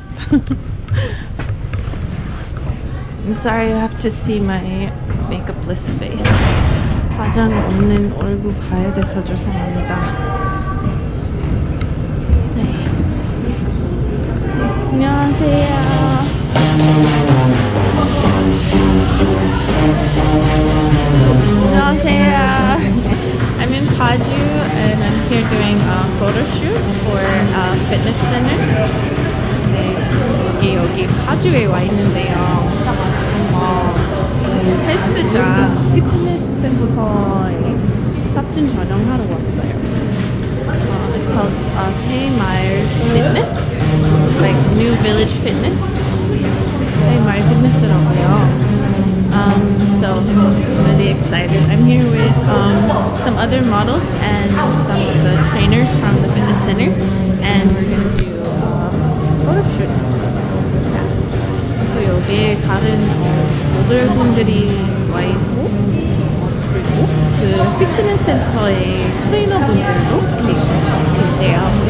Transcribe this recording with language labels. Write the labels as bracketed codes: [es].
[en] I'm sorry, you have to see my makeupless face. [ko] 화장 없는 얼굴 봐야 돼서 죄송합니다. 안녕하세요. [en] I'm in Paju and I'm here doing a photo shoot for a fitness center. [ko] 네, 여기 파주에 와 있는데요. 헬스장, 피트니스부터 사진 촬영하러 왔어요. [en] It's called 세마일 Fitness. Like new village fitness. Hey, my fitness at all, y'all. So really excited. I'm here with some other models and some of the trainers from the fitness center, and we're gonna do photo shoot. Yeah. [ko] So 여기 다른 모델분들이 와 있고 그리고 그 피트니스 센터의 트레이너분들도 계세요.